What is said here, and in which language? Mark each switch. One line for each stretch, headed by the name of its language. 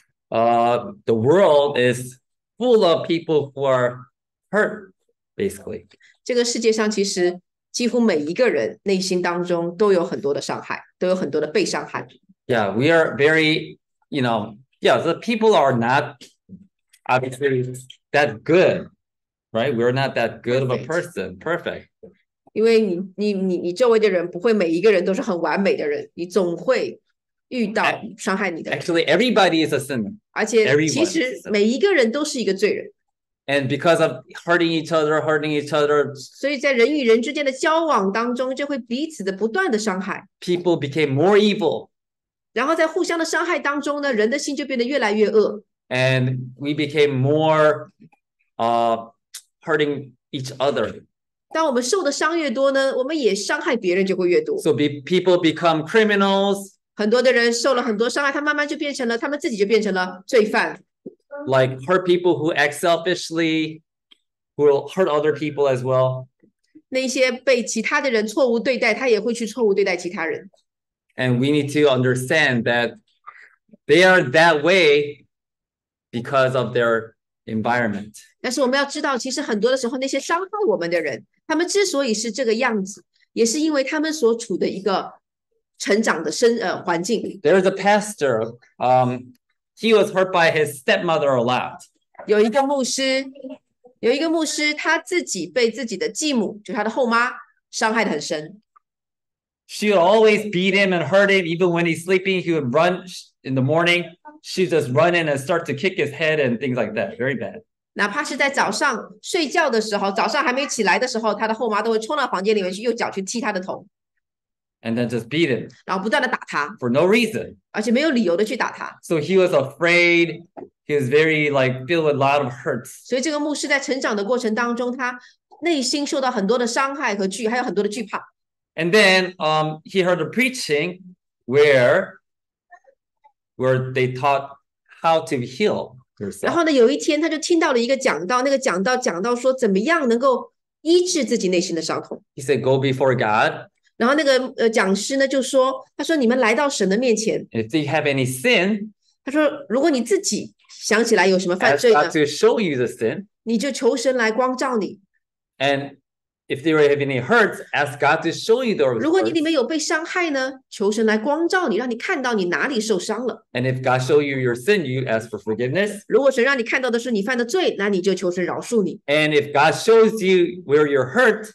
English: The world is full of people who are hurt, basically.
Chinese: 这个世界上其实几乎每一个人内心当中都有很多的伤害，都有很多的被伤害。
English: Yeah, we are very, you know, yeah, the people are not obviously that good, right? We're not that good of a person, perfect.
Chinese: 因为你周围的人不会每一个人都是很完美的人，你总会遇到伤害你的人。
English: Actually, everybody is a sinner.
Chinese: 而且其实每一个人都是一个罪人。
English: And because of hurting each other,
Chinese: 所以在人与人之间的交往当中，就会彼此的不断的伤害。
English: People became more evil.
Chinese: 然后在互相的伤害当中呢，人的心就变得越来越恶。
English: And we became more, hurting each other.
Chinese: 当我们受的伤越多呢，我们也伤害别人就会越多。
English: So people become criminals.
Chinese: 很多的人受了很多伤害，他们自己就变成了罪犯。
English: Like hurt people who act selfishly, who will hurt other people as well.
Chinese: 那些被其他的人错误对待，他也会去错误对待其他人。
English: And we need to understand that they are that way because of their environment.
Chinese: 但是我们要知道，其实很多的时候，那些伤害我们的人，他们之所以是这个样子，也是因为他们所处的一个成长的环境。
English: There is a pastor, he was hurt by his stepmother a lot.
Chinese: 有一个牧师，他自己被自己的继母，就他的后妈，伤害得很深。
English: She would always beat him and hurt him, even when he's sleeping. He would run in the morning. She'd just run in and start to kick his head and things like that. Very bad.
Chinese: 哪怕是在早上睡觉的时候，早上还没起来的时候，他的后妈都会冲到房间里面去，用脚去踢他的头。
English: And then just beat him.
Chinese: 然后不断地打他。
English: For no reason.
Chinese: 而且没有理由地去打他。
English: So he was afraid. He was very, like, filled with a lot of hurts.
Chinese: 所以这个牧师在成长的过程当中，他内心受到很多的伤害和惧，还有很多的惧怕。
English: And then, he heard a preaching where they taught how to heal yourself.
Chinese: 然后呢，有一天他就听到了一个讲道，那个讲道讲到说怎么样能够医治自己内心的伤痛。
English: He said, "Go before God."
Chinese: 然后那个讲师呢就说，他说你们来到神的面前。
English: If you have any sin,
Chinese: 他说如果你自己想起来有什么犯罪呢
English: ，Ask God to show you the sin.
Chinese: 你就求神来光照你。
English: And if there have any hurts, ask God to show you the hurts.
Chinese: 如果你里面有被伤害呢，求神来光照你，让你看到你哪里受伤了。
English: And if God show you your sin, you ask for forgiveness.
Chinese: 如果神让你看到的是你犯的罪，那你就求神饶恕你。
English: And if God shows you where you're hurt,